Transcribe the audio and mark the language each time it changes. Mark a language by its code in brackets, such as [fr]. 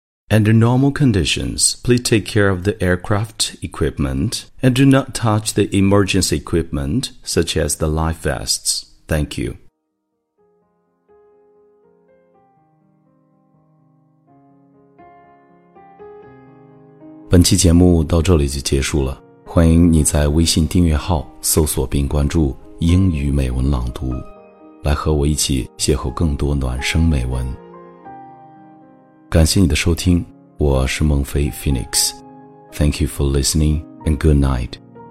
[en] Under normal conditions, please take care of the aircraft equipment and do not touch the emergency equipment, such as the life vests. Thank you. This episode is over here. [zh] 欢迎你在微信订阅号搜索并关注英语美文朗读，来和我一起邂逅更多暖声美文。感谢你的收听，我是孟非 [en] Phoenix. Thank you for listening and good night.